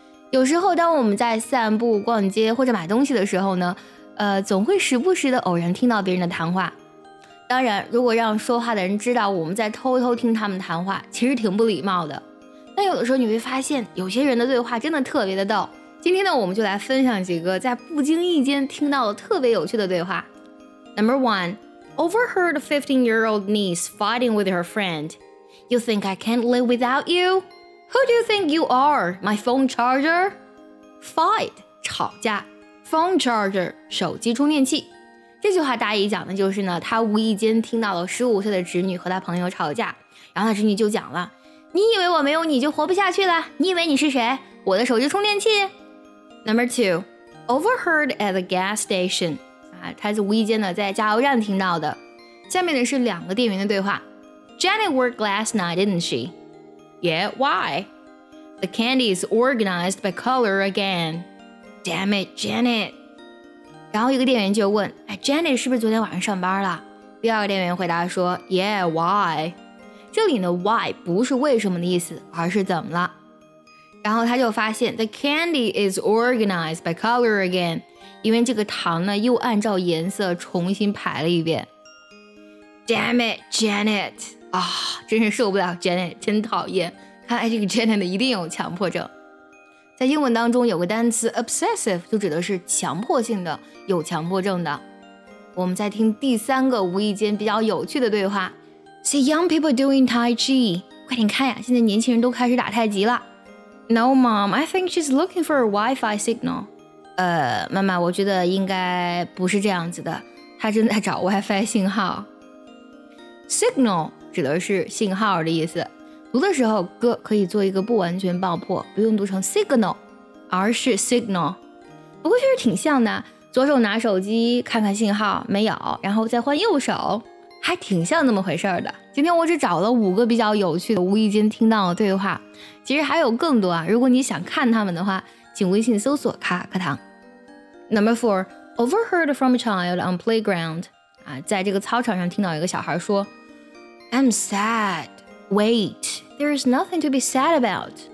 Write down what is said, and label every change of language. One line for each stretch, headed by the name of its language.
Chinese: 有时候当我们在散步、逛街或者买东西的时候呢，总会时不时的偶然听到别人的谈话。当然，如果让说话的人知道我们在偷偷听他们谈话，其实挺不礼貌的。但有的时候你会发现，有些人的对话真的特别的逗。今天呢，我们就来分享几个在不经意间听到的特别有趣的对话。
English: Number one, overheard a 15-year-old niece fighting with her friend. You think I can't live without you? Who do you think you are, my phone charger?
Chinese: Fight, 吵架 Phone charger, 手机充电器这句话大意讲的就是呢，他无意间听到了15岁的侄女和他朋友吵架，然后他侄女就讲了，你以为我没有你就活不下去了？你以为你是谁？我的手机充电器
English: Number two, overheard at the gas station.
Chinese: 他是无意间的在加油站听到的。下面的是两个店员的对话。
English: Jenny worked last night, didn't she? Yeah, why? The candy is organized by color again. Damn it, Janet.
Chinese: 然后一个店员就问，哎 ,Jenny 是不是昨天晚上上班了？第二个店员回答说 ,
English: Yeah, why?
Chinese: 这里的 why 不是为什么的意思，而是怎么了。然后他就发现
English: ,The candy is organized by color again.
Chinese: 因为这个糖呢又按照颜色重新排了一遍
English: Damn it, Janet、
Chinese: 啊、真是受不了 Janet, 真讨厌看来这个 Janet 的一定有强迫症在英文当中有个单词 obsessive 就指的是强迫性的有强迫症的我们再听第三个无意间比较有趣的对话
English: See young people doing Tai Chi
Chinese: 快点看呀现在年轻人都开始打太极了
English: No mom, I think she's looking for a Wi-Fi signal
Chinese: 妈妈，我觉得应该不是这样子的，她正在找 WiFi 信号。 Signal 指的是信号的意思，读的时候 g 可以做一个不完全爆破，不用读成 signal， 而是 signal。不过确实挺像的，左手拿手机看看信号没有，然后再换右手，还挺像那么回事的。今天我只找了五个比较有趣的无意间听到的对话，其实还有更多啊。如果你想看他们的话。请微信搜索卡卡课堂。
English: Number four, overheard from a child on playground.
Chinese: 在这个操场上听到一个小孩说
English: I'm sad. Wait, there is nothing to be sad about.